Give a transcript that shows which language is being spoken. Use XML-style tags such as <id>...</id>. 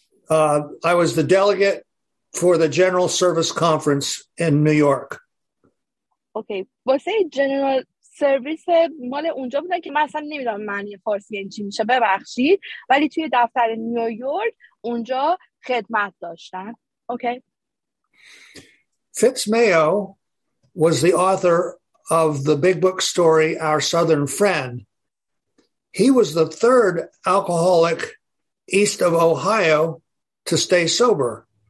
<en>I was the delegate for the General Service Conference in New York. Okay.</en> <fa>واسه General سرویس مال اونجا بوده که من اصلا نمیدونم معنی فارسی این چی میشه، ببخشید، ولی توی دفتر نیویورک اونجا خدمت داشتن.</fa> <en>Okay. Fitz Mayo was the author of the big book story Our Southern Friend. He was the third alcoholic east of Ohio to stay sober.</en>